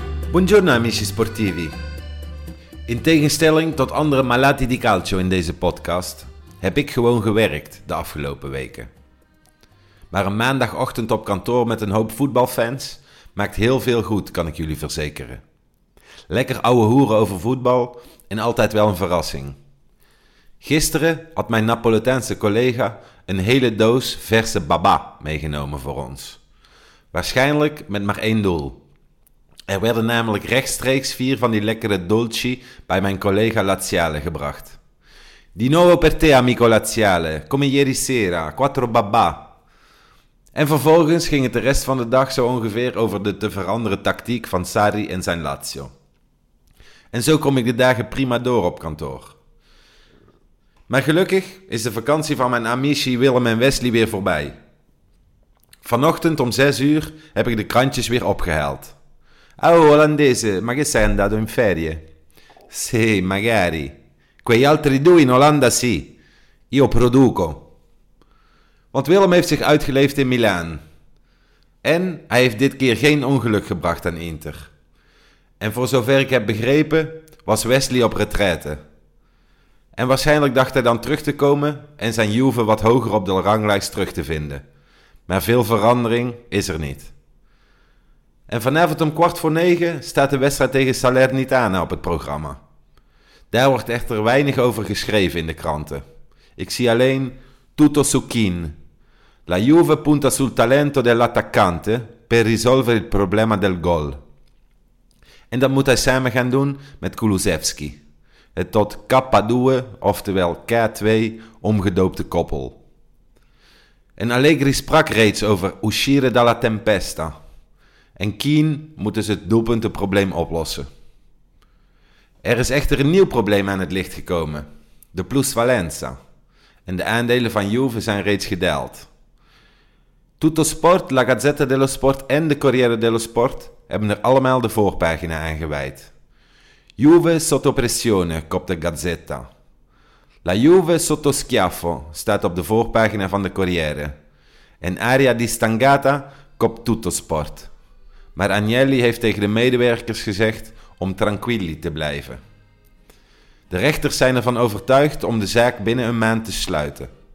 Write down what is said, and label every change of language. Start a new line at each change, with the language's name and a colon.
Italian: Buongiorno amici sportivi.
Dutch: In tegenstelling tot andere
Italian: malati di calcio
Dutch: in deze podcast, heb ik gewoon gewerkt de afgelopen weken. Maar een maandagochtend op kantoor met een hoop voetbalfans maakt heel veel goed, kan ik jullie verzekeren. Lekker ouwe hoeren over voetbal en altijd wel een verrassing. Gisteren had mijn Napolitaanse collega een hele doos verse baba meegenomen voor ons. Waarschijnlijk met maar één doel. Er werden namelijk rechtstreeks 4 van die lekkere dolci bij mijn collega Laziale gebracht.
Italian: Di nuovo per te, amico Laziale. Come ieri sera, 4 baba.
Dutch: En vervolgens ging het de rest van de dag zo ongeveer over de te veranderen tactiek van Sarri en zijn Lazio. En zo kom ik de dagen prima door op kantoor. Maar gelukkig is de vakantie van mijn amici Willem en Wesley weer voorbij. Vanochtend om 6 uur heb ik de krantjes weer opgehaald.
Italian: Oh, Olandese, ma che sei andato in ferie? Sì, magari. Quei altri due in Olanda, sì. Io produco.
Dutch: Want Willem heeft zich uitgeleefd in Milaan. En hij heeft dit keer geen ongeluk gebracht aan Inter. En voor zover ik heb begrepen, was Wesley op retraite. En waarschijnlijk dacht hij dan terug te komen en zijn Juve wat hoger op de ranglijst terug te vinden. Maar veel verandering is er niet. En vanavond om 9:15 staat de wedstrijd tegen Salernitana op het programma. Daar wordt echter weinig over geschreven in de kranten. Ik zie alleen tutto su Kin.
Italian: La Juve punta sul talento dell'attaccante per risolvere il problema del gol.
Dutch: En dat moet hij samen gaan doen met Kulusevski. Het tot K2, oftewel K2, omgedoopte koppel. En Allegri sprak reeds over
Italian: uscire dalla tempesta.
Dutch: En Keane moet dus het doelpuntenprobleem oplossen. Er is echter een nieuw probleem aan het licht gekomen. De plusvalenza. En de aandelen van Juve zijn reeds gedaald. Tutto Sport, La Gazzetta dello Sport en de Corriere dello Sport hebben er allemaal de voorpagina aan gewijd.
Italian: Juve sotto pressione,
Dutch: kopte
Italian: Gazzetta. La Juve sotto schiaffo
Dutch: staat op de voorpagina van de Corriere. En
Italian: Aria di Stangata
Dutch: kopt Tutto Sport. Maar Agnelli heeft tegen de medewerkers gezegd om tranquilli te blijven. De rechters zijn ervan overtuigd om de zaak binnen een maand te sluiten.